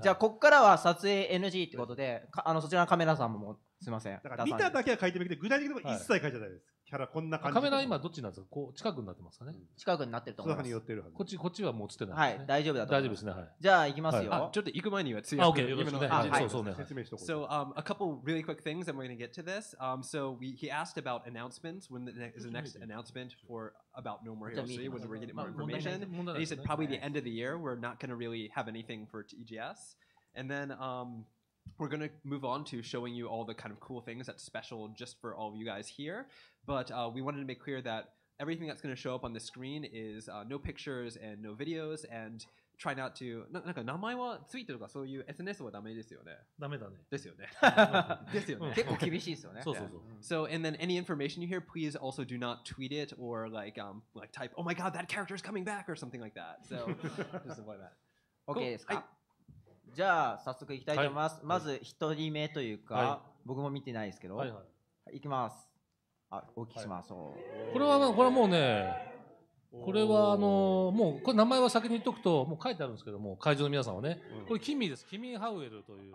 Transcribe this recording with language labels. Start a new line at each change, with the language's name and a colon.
Japanese: じゃあここからは撮影 NG ってことで、あの、そちらのカメラさんもすみません、だから見ただけは書いてみて、具体的にも一切書いてないです、はい、キャラこんな感じ、カメラ今どっちなんですか、こう近くになってますかね、近くになってると思います、そのに寄ってるはず、こっちはもう映ってない、はい、大丈夫だと思います、大丈夫ですね、はい、じゃあ行きますよ、はい、ちょっと行く前には次は、okay、 よろしくね、はい、そうそうね、説明してお
English: こう、 So、a couple really quick things and we're going to get to this、So he asked about announcements, when is the next announcement forabout No More Heroes 3 when we're getting more information、 and he said probably the end of the year we're not going to really have anything for EGS and then、we're going to move on to showing you all the kind of cool things that's special just for all of you guys here but、we wanted to make clear that everything that's going to show up on the screen is、no pictures and no videos andtry not to
Japanese: なんか名前はツイートとかそういう SNS はダメですよね。ダメだね。ですよね。ですよね。結構厳しいですよね。そうそうそう。
English: So and then any information you hear, please also do not tweet it or like like type oh my god that character is coming back or something like that. So just avoid that.
Japanese: OK ですか。じゃあ早速いきたいと思います。まず一人目というか僕も見てないですけど。はいはい。いきます。あ、お聞きします。これはもうね。これはもうこれ名前は先に言っとくともう書いてあるんですけども会場の皆さんはね、うん、これキミですキミハウエルという